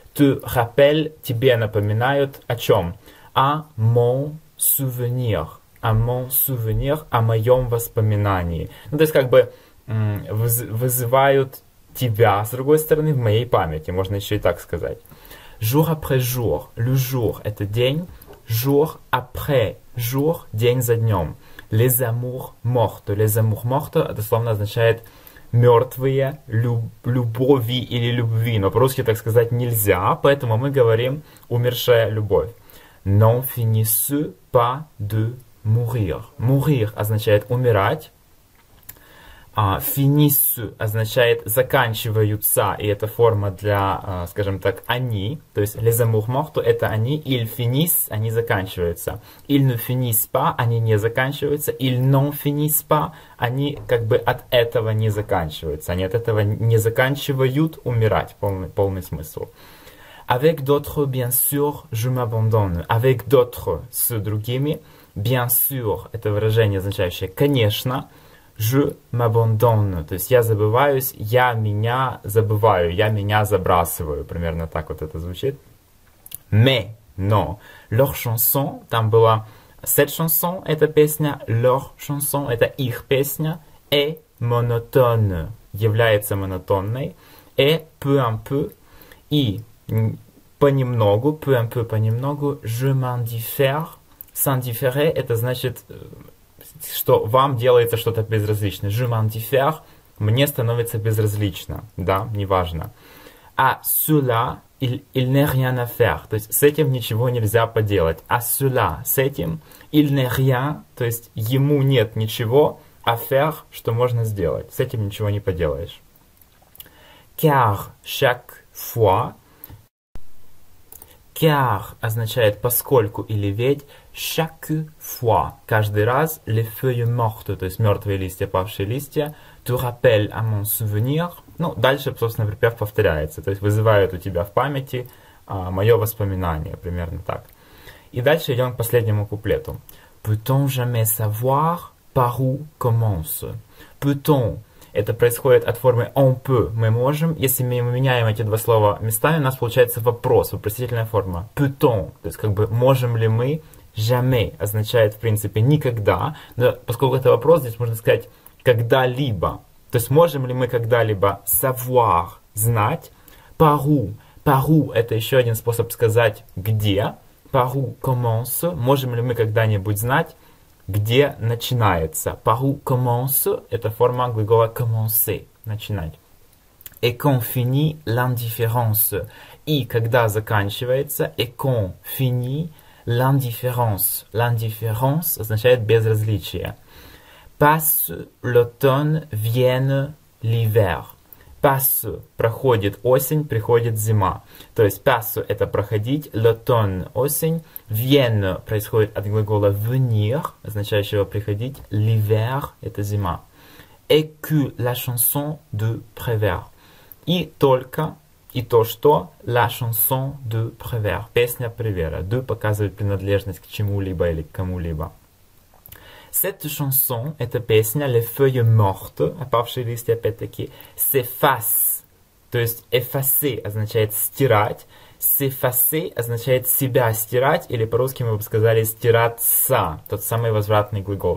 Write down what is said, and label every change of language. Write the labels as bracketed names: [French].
[French] Te rappelle, [Russian] тебе напоминают о чем? [French] А mon souvenir. А mon souvenir, [Russian] о моем воспоминании. Ну, то есть как бы вызывают тебя, с другой стороны, в моей памяти, можно еще и так сказать. [French] Jour après jour, le jour – [Russian] это день, [French] jour après jour – [Russian] день за днем. [French] Les amours mortes, les amours mortes, [Russian] дословно означает мертвые любови или любви, но по-русски так сказать нельзя, поэтому мы говорим умершая любовь. [French] N'en finissent pas de mourir. [Russian] Mourir означает умирать. Finissent означает заканчиваются, и это форма для, скажем так, они, то есть [French] les amours mortes [Russian] это они, [French] ils finissent, [Russian] они заканчиваются, [French] ils ne finissent pas, [Russian] они не заканчиваются, [French] ils n'en finissent pas, [Russian] они как бы от этого не заканчиваются, они от этого не заканчивают умирать, полный смысл. [French] Avec d'autres, bien sûr, je m'abandonne. Avec d'autres, [Russian] с другими, [French] bien sûr, [Russian] это выражение, означающее конечно. [French] Je m'abandonne, [Russian] то есть я забываюсь, я меня забываю, я меня забрасываю. Примерно так вот это звучит. [French] Mais, [Russian] но, [French] leur chanson, [Russian] там была [French] cette chanson, [Russian] эта песня, leur chanson, это их песня, [French] est monotone, [Russian] является монотонной, [French] et peu un peu, [Russian] и понемногу, peu un peu, понемногу, [French] je m'indiffère, s'indifférer, [Russian] это значит, что вам делается что-то безразличное. [French] Je m'indiffère, [Russian] Мне становится безразлично, да, неважно. [French] А cela, il n'est rien à faire. [Russian] То есть с этим ничего нельзя поделать. [French] А cela, [Russian] с этим, [French] il n'est rien, [Russian] то есть ему нет ничего, [French] а faire, [Russian] что можно сделать. С этим ничего не поделаешь. [French] Car, chaque fois. [Russian] Car означает поскольку или ведь. [French] Chaque fois, [Russian] каждый раз, [French] les feuilles mortes, [Russian] то есть мертвые листья, павшие листья, [French] tu rappelles à mon souvenir. [Russian] Ну, дальше, собственно, припев повторяется, то есть вызывает у тебя в памяти мое воспоминание, примерно так. И дальше идем к последнему куплету. [French] Peut-on jamais savoir par où commence? Peut-on? [Russian] Это происходит от формы [French] on peut, [Russian] мы можем. Если мы меняем эти два слова местами, у нас получается вопрос, вопросительная форма. [French] Peut-on? [Russian] То есть как бы можем ли мы? Jamais означает, в принципе, никогда. Но поскольку это вопрос, здесь можно сказать когда-либо. То есть можем ли мы когда-либо savoir, знать? [French] Par où? Par où? [Russian] Это еще один способ сказать где. [French] Par où commence? [Russian] Можем ли мы когда-нибудь знать, где начинается? [French] Par où commence? [Russian] Это форма глагола commencer, начинать. [French] Et quand finit l'indifférence? [Russian] И когда заканчивается? [French] Et quand finit l'indifférence? [Russian] L'indifférence означает безразличие. [French] Passe l'automne, vienne l'hiver. [Russian] Passe – проходит осень, приходит зима. То есть passe – это проходить, l'automne – осень, vienne – происходит от глагола venir, означающего приходить, l'hiver – это зима. [French] Écoute la chanson de Prévert. [Russian] И только, и то, что, [French] la chanson de Prévert. [Russian] Песня Превера. De показывает принадлежность к чему-либо или к кому-либо. [French] Cette chanson, [Russian] эта песня, [French] Les feuilles mortes, [Russian] опавшие листья, опять-таки, s'efface, то есть effacer означает стирать, s'effacer означает себя стирать, или по-русски мы бы сказали стираться, тот самый возвратный глагол.